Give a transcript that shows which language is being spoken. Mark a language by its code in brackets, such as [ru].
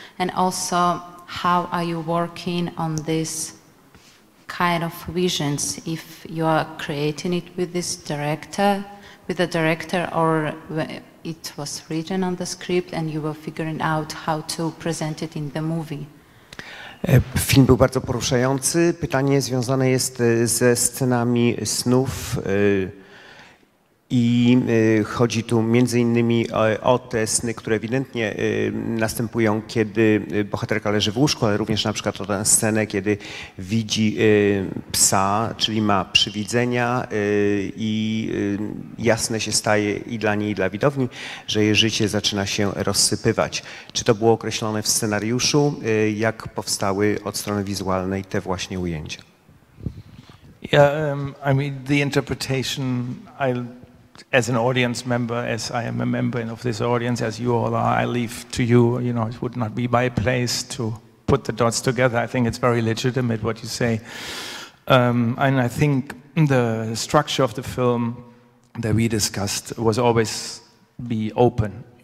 [en] And also, how are you working on this kind of visions, if you are creating it with this director, with the director, or it was written on the script and you were figuring out how to present it in the movie? [pl] Film był bardzo poruszający. Pytanie związane jest ze scenami snów. I chodzi tu między innymi o te sny, które ewidentnie następują, kiedy bohaterka leży w łóżku, ale również na przykład o tę scenę, kiedy widzi psa, czyli ma przywidzenia i jasne się staje i dla niej, i dla widowni, że jej życie zaczyna się rozsypywać. Czy to było określone w scenariuszu? Jak powstały od strony wizualnej te właśnie ujęcia? [en] Yeah, I mean, the interpretation, as an audience member, as I am a member of this audience, as you all are, I leave to you, you know, it would not be my place to put the dots together. I think it's very legitimate what you say. And I think the structure of the film that we discussed was always be open.